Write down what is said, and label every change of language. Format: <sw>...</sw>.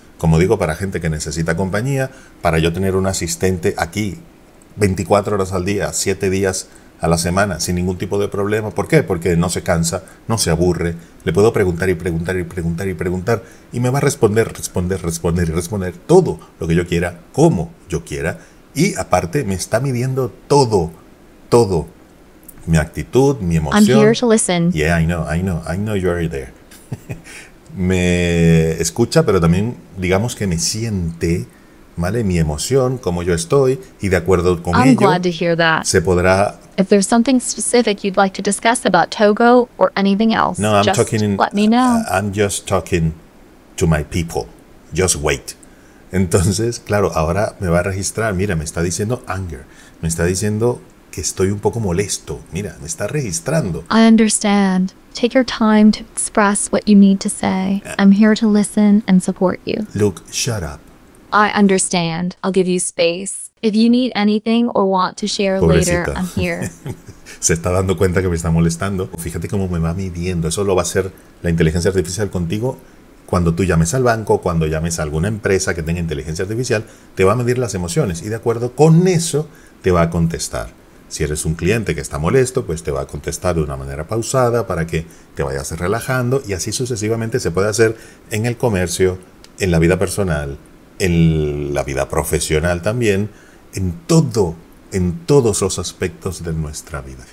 <es>Como digo, para gente que necesita compañía, para yo tener un asistente aquí 24 horas al día, 7 días a la semana, sin ningún tipo de problema. ¿Por qué? Porque no se cansa, no se aburre. Le puedo preguntar y preguntar y preguntar y preguntar y me va a responder, responder, responder y responder todo lo que yo quiera, como yo quiera. Y aparte me está midiendo todo, todo. Mi actitud, mi emoción.</es> <en>I'm here to listen. Yeah, I know you are there.</en> <es>Me escucha, pero también digamos que me siente, ¿vale? Mi emoción, cómo yo estoy y de acuerdo con</es> <en>I'm</en> <es>ello.</es> <en>Glad to hear that.</en> <es>Se podrá.</es> <en>If there's something specific you'd like to discuss about Togo or anything else, no, just let me know. I'm just talking to my people. Just wait.</en> <es>Entonces, claro, ahora me va a registrar. Mira, me está diciendo anger. Me está diciendo que estoy un poco molesto. Mira, me está registrando.</es> <en>I understand. Take your time to express what you need to say. I'm here to listen and support you. Look, shut up. I understand. I'll give you space. If you need anything or want to share</en> <es>Pobrecita.</es> <en>Later, I'm here.</en> <es>Se está dando cuenta que me está molestando. Fíjate cómo me va midiendo. Eso lo va a hacer la inteligencia artificial contigo. Cuando tú llames al banco, cuando llames a alguna empresa que tenga inteligencia artificial, te va a medir las emociones y de acuerdo con eso te va a contestar. Si eres un cliente que está molesto, pues te va a contestar de una manera pausada para que te vayas relajando y así sucesivamente se puede hacer en el comercio, en la vida personal, en la vida profesional también, en todos los aspectos de nuestra vida.</es>